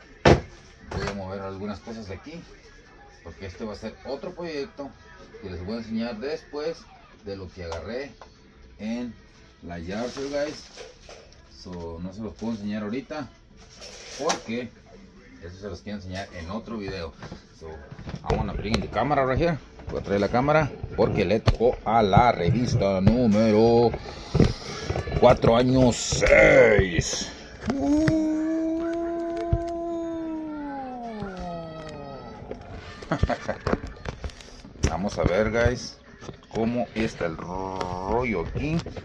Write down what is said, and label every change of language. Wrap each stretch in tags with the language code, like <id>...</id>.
<es>Voy a mover algunas cosas de aquí, porque este va a ser otro proyecto que les voy a enseñar después de lo que agarré en la yard sale, guys. So, no se los puedo enseñar ahorita porque eso se los quiero enseñar en otro video.</es> <en>So, I'm gonna bring the camera right here.</en> <es>Voy a traer la cámara porque le tocó a la revista número 4, año 6. Vamos a ver, guys, cómo está el rollo aquí.</es>